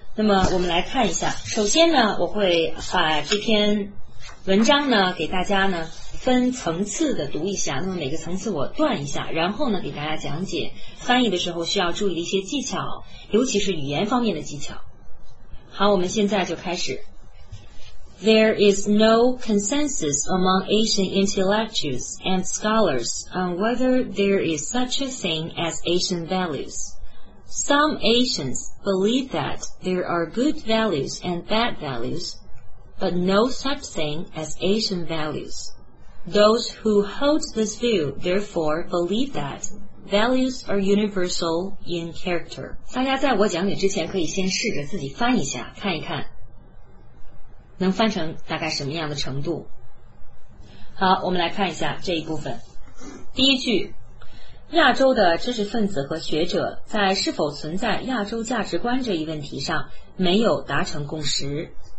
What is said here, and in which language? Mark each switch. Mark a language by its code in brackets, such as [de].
[zh] 那么我们来看一下，首先呢，我会把这篇文章呢给大家呢分层次的读一下，那么每个层次我断一下，然后呢给大家讲解翻译的时候需要注意的一些技巧，尤其是语言方面的技巧。好，我们现在就开始。 [en] There is no consensus among Asian intellectuals and scholars on whether there is such a thing as Asian values. Some Asians believe that there are good values and bad values, but no such thing as Asian values. Those who hold this view, therefore, believe that values are universal in character. [zh] 大家在我讲解之前可以先试着自己翻一下，看一看能翻成大概什么样的程度。好，我们来看一下这一部分。第一句，亚洲的知识分子和学者在是否存在亚洲价值观这一问题上没有达成共识。